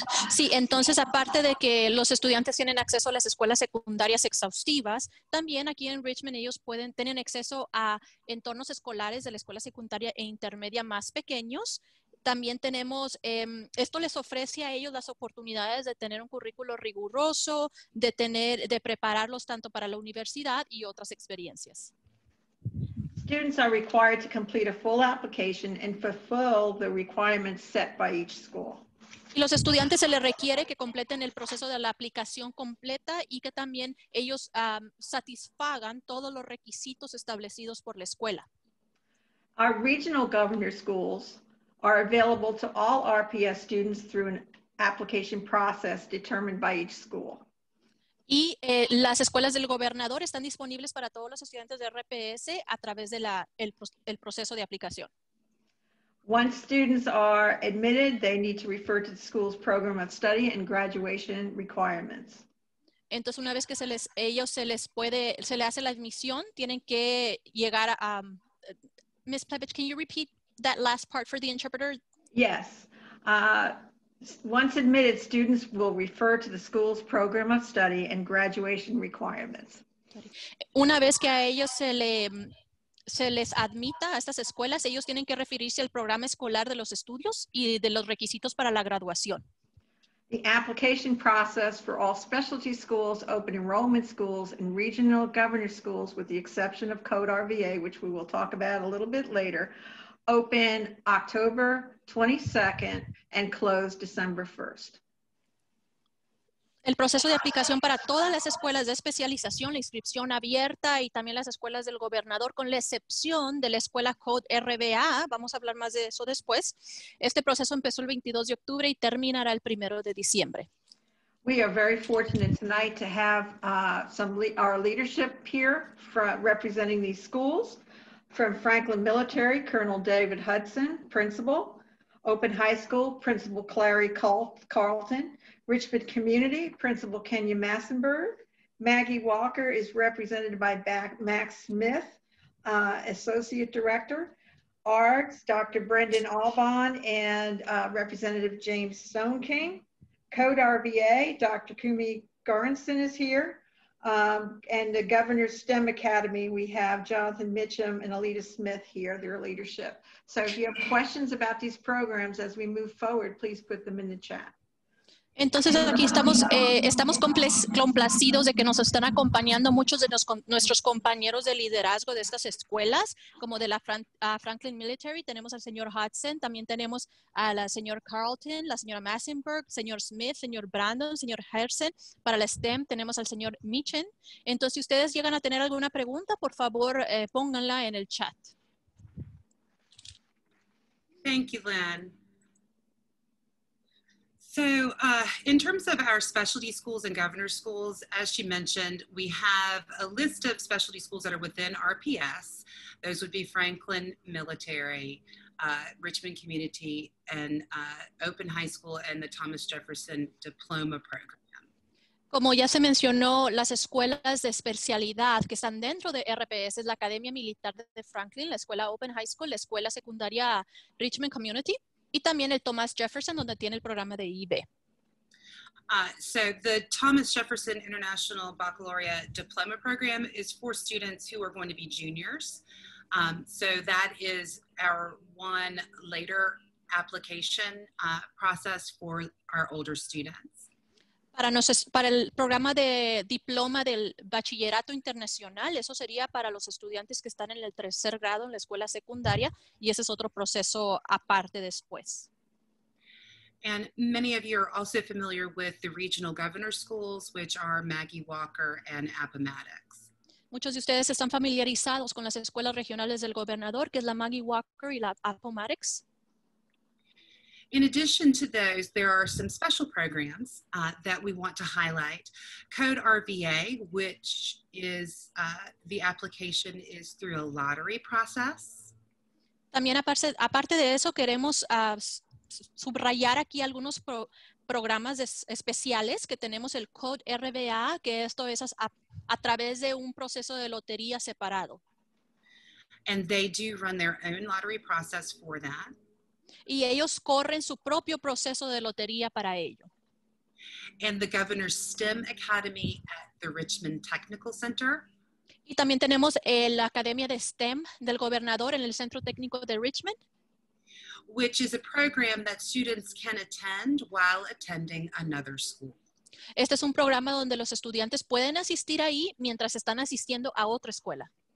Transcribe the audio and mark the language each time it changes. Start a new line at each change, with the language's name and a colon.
Spanish: Sí, entonces aparte de que los estudiantes tienen acceso a las escuelas secundarias exhaustivas, también aquí en Richmond ellos pueden tener acceso a entornos escolares de la escuela secundaria e intermedia más pequeños. También tenemos, esto les ofrece a ellos las oportunidades de tener un currículo riguroso, de prepararlos tanto para la universidad y otras experiencias.
English: Students are required to complete a full application and fulfill the requirements set by each school.
Spanish: Y los estudiantes se les requiere que completen el proceso de la aplicación completa y que también ellos satisfagan todos los requisitos establecidos por la escuela.
English: Our regional governor schools are available to all RPS students through an application process determined by each school.
Spanish: Y las escuelas del gobernador están disponibles para todos los estudiantes de RPS a través de el proceso de aplicación.
English: Once students are admitted, they need to refer to the school's program of study and graduation requirements.
Spanish: Entonces, una vez que se le hace la admisión, tienen que llegar a Ms.
English: Plevich, can you repeat that last part for the interpreter? Yes. Once admitted, students will refer to the school's program of study and graduation requirements.
Spanish: Una vez que a ellos se les admita a estas escuelas, ellos tienen que referirse al programa escolar de los estudios y de los requisitos para la graduación.
English: The application process for all specialty schools, open enrollment schools, and regional governor schools, with the exception of Code RVA, which we will talk about a little bit later, open October 22nd and close December 1st.
Spanish: El proceso de aplicación para todas las escuelas de especialización, la inscripción abierta y también las escuelas del gobernador, con la excepción de la escuela Code RBA, vamos a hablar más de eso después. Este proceso empezó el 22 de octubre y terminará el 1 de diciembre.
English: We are very fortunate tonight to have our leadership here representing these schools. From Franklin Military, Colonel David Hudson, Principal. Open High School, Principal Clary Carlton. Richmond Community, Principal Kenya Massenberg. Maggie Walker is represented by Max Smith, Associate Director. ARGS, Dr. Brendan Albon and Representative James Stone King. Code RBA, Dr. Kumi Goranson is here. And the Governor's STEM Academy, we have Jonathan Mitchum and Alita Smith here, their leadership. So if you have questions about these programs as we move forward, please put them in the chat.
Spanish: Entonces aquí estamos, estamos complacidos de que nos están acompañando muchos de nuestros compañeros de liderazgo de estas escuelas, como de la Franklin Military, tenemos al señor Hudson, también tenemos a la señor Carlton, la señora Massenberg, señor Smith, señor Brandon, señor Hersen, para la STEM tenemos al señor Michen. Entonces si ustedes llegan a tener alguna pregunta, por favor pónganla en el chat.
English: Thank you, Lynn. So in terms of our specialty schools and governor schools, as she mentioned, we have a list of specialty schools that are within RPS. Those would be Franklin Military, Richmond Community, and Open High School, and the Thomas Jefferson Diploma Program.
Spanish: Como ya se mencionó, las escuelas de especialidad que están dentro de RPS es la Academia Militar de Franklin, la Escuela Open High School, la Escuela Secundaria Richmond Community, y también el Thomas Jefferson, donde tiene el programa de IB.
English: So the Thomas Jefferson International Baccalaureate Diploma Program is for students who are going to be juniors. So that is our one later application process for our older students.
Spanish: Para el programa de diploma del bachillerato internacional, eso sería para los estudiantes que están en el tercer grado en la escuela secundaria, y ese es otro proceso aparte después.
English: And many of you are also familiar with the regional governor schools, which are Maggie Walker and Appomattox.
Spanish: Muchos de ustedes están familiarizados con las escuelas regionales del gobernador, que es la Maggie Walker y la Appomattox.
English: In addition to those, there are some special programs that we want to highlight. Code RVA, which is the application is through a lottery process.
Spanish: También aparte de eso, queremos subrayar aquí algunos programas especiales que tenemos el Code RVA, que esto es a través de un proceso de lotería separado.
English: And they do run their own lottery process for that.
Spanish: Y ellos corren su propio proceso de lotería para ello.
English: And the Governor's STEM Academy at the Richmond Technical Center.
Spanish: Y también tenemos la Academia de STEM del Gobernador en el Centro Técnico de Richmond.
English: Which is a program that students can attend while attending another school.
Spanish: Este es un programa donde los estudiantes pueden asistir ahí mientras están asistiendo a otra escuela.